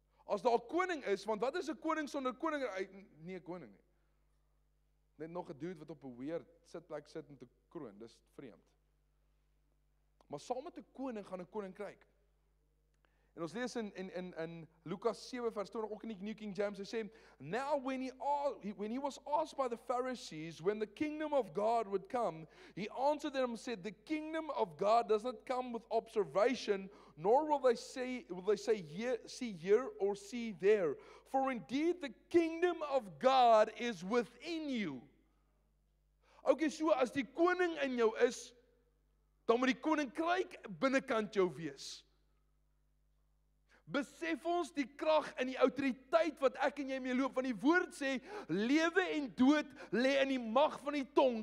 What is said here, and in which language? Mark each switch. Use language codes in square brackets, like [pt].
[af] As daar koning is, want wat is een koning sonder koning? Nee, koning nie. Net nog een dude wat op een weer sitplek sit met die kroon, dis vreemd. Maar saam met die koning gaan een koninkryk. En ons lees in Lukas 7 vers 20, ook in die New King James, hy sê, [en] Now when he was asked by the Pharisees when the kingdom of God would come, he answered them and said, The kingdom of God does not come with observation, nor will they say see here or see there. For indeed the kingdom of God is within you. [af] Okay, so as die koning in jou is, dan moet die koninkryk binnenkant jou wees. Besef ons die kracht en die autoriteit wat ek en jy mee loop, van die woord sê, lewe en dood lê in die mag van die tong.